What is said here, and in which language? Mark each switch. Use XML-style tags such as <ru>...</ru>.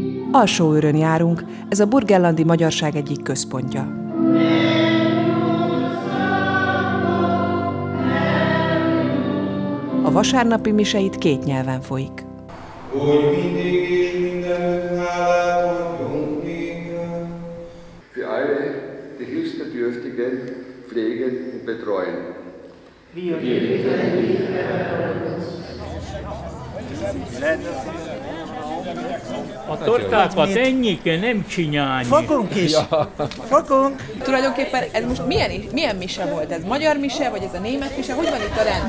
<hu>Alsóőrön járunk, ez a burgenlandi magyarság egyik központja. A vasárnapi miseit két nyelven folyik. Úgy mindig is mindenütt hálát adjunk néken.</hu> <de>Für alle die Hilfsbedürftigen pflegen und betreuen. Wir bitten dich,</de> <hu>a tortákat ennyike nem csinálni. Fogunk is. Fogunk. Tulajdonképpen ez most milyen mise volt? Ez magyar mise, vagy ez a német mise? Hogy van itt a rendszer?</hu>